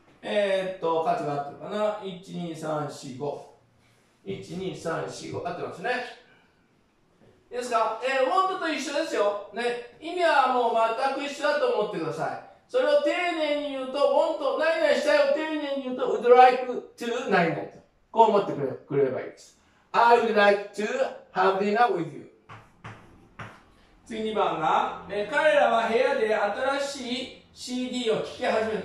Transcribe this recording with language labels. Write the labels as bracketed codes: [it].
[ja] 数が合ってるかな。1、2、3、4、5。 1、2、3、4、5。合ってますね。いいですか？ want と一緒ですよ。ね。意味はもう全く一緒だと思ってください。それを丁寧に言うと、want、何々したいを丁寧に言うと、would like to 何々と。こう思ってくれればいいです。 [en] I would like to have dinner with you. [ja] 次2番が、ね、彼らは部屋で新しい CD を聴き始める。